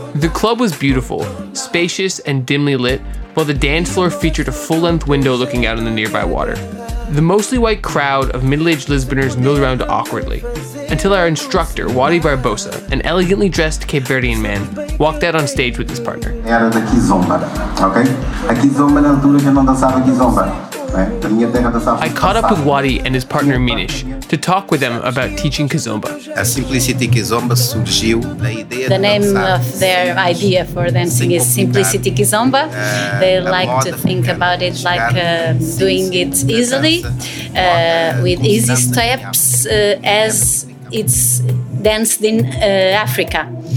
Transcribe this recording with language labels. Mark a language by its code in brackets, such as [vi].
[en] The club was beautiful, spacious and dimly lit, while the dance floor featured a full-length window looking out on the nearby water. The mostly white crowd of middle-aged Lisboners milled around awkwardly, until our instructor, Wadi Barbosa, an elegantly dressed Cape Verdean man, walked out on stage with his partner. [pt] Era da kizomba, ok? A kizomba na altura já não dançava kizomba. [en] I caught up with Wadi and his partner Minish to talk with them about teaching kizomba. The name of their idea for dancing is Simplicity Kizomba. They like to think about it like doing it easily, with easy steps, as it's danced in Africa.